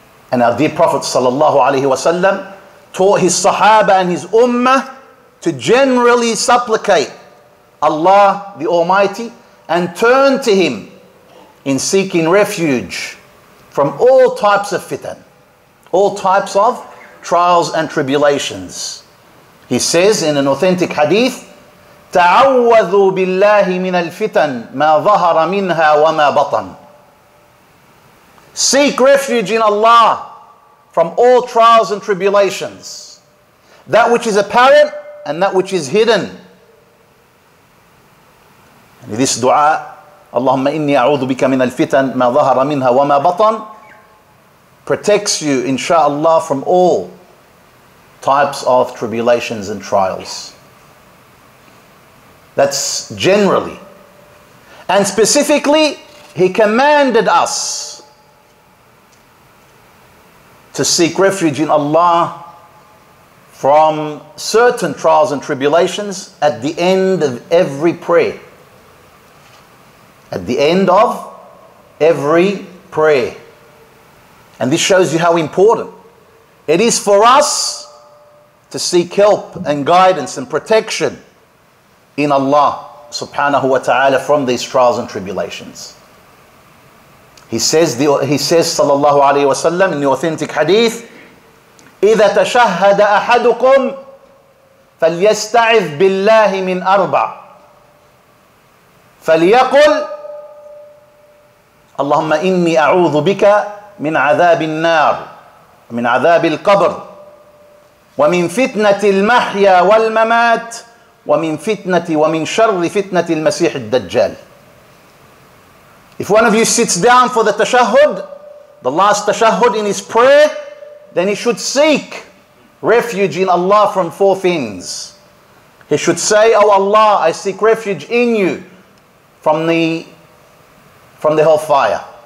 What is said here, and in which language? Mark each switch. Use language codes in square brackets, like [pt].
[en] And our dear Prophet sallallahu alayhi wa sallam taught his sahaba and his ummah to generally supplicate Allah the Almighty and turn to him in seeking refuge from all types of fitan, all types of trials and tribulations. He says in an authentic hadith, [ar] تَعَوَّذُوا بِاللَّهِ مِنَ الْفِتَنْ مَا ظَهَرَ مِنْهَا وَمَا بَطَنْ. [en] Seek refuge in Allah from all trials and tribulations, that which is apparent and that which is hidden. And this dua, [ar] اللَّهُمَّ إِنِّي أَعُوذُ بِكَ مِنَ الْفِتَنْ مَا ظَهَرَ مِنْهَا وَمَا بَطَنْ, [en] protects you, inshallah, from all types of tribulations and trials. That's generally. And specifically, he commanded us to seek refuge in Allah from certain trials and tribulations at the end of every prayer. At the end of every prayer. And this shows you how important it is for us to seek help and guidance and protection in Allah subhanahu wa ta'ala from these trials and tribulations. He says sallallahu alayhi wa sallam in the authentic hadith, [ar] إِذَا تَشَهَّدَ أَحَدُكُمْ فَلْيَسْتَعِذْ بِاللَّهِ مِنْ أَرْبَعْ فَلْيَقُلْ اللَّهُمَّ إِنِّي أَعُوذُ بِكَ مِنْ عَذَابِ النَّارِ وَمِنْ عَذَابِ الْقَبْرِ وَمِنْ فِتْنَةِ الْمَحْيَا وَالْمَمَاتِ وَمِنْ فِتْنَةِ وَمِنْ شَرِّ فِتْنَةِ الْمَسِيحِ الدَّجَّالِ. [en] If one of you sits down for the tashahud, the last tashahud in his prayer, then he should seek refuge in Allah from four things. He should say, "O Allah, I seek refuge in you from the hellfire.